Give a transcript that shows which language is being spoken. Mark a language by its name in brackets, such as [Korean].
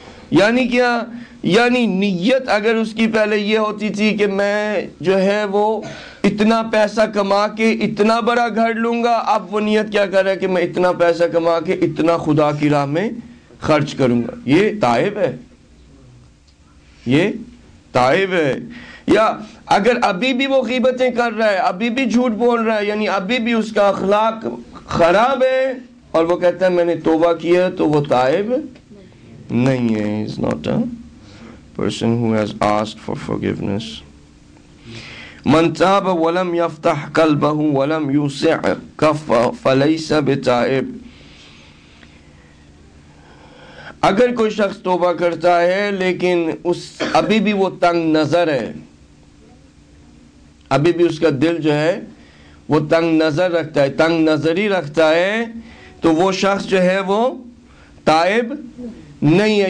[Urdu] یعنی کیا؟ یعنی نیت اگر اس کی پہلے یہ ہوتی تھی کہ میں جو ہے وہ اتنا پیسہ کما کے اتنا بڑا گھر لوں گا، اب وہ نیت کیا کر رہا ہے کہ میں اتنا پیسہ کما کے اتنا خدا کی راہ میں خرچ کروں گا، یہ تائب ہے، یہ تائب ہے. یا اگر ابھی بھی وہ غیبتیں کر رہا ہے، ابھی بھی جھوٹ بول رہا ہے، یعنی ابھی بھی اس کا اخلاق خراب ہے، اور وہ کہتا ہے میں نے توبہ کیا ہے، تو وہ تائب نہیں ہے. [English] He's not a person who has asked for forgiveness. [Arabic] من تاب ولم يفتح قلبه ولم يوسع كفه فليس بتائب. [Urdu] اگر کوئی شخص توبہ کرتا ہے لیکن اس ابھی بھی وہ تنگ نظر ہے، ابھی بھی اس کا دل جو ہے وہ تنگ نظر رکھتا ہے، تنگ نظری رکھتا ہے، تو وہ شخص جو ہے وہ تائب نہیں ہے.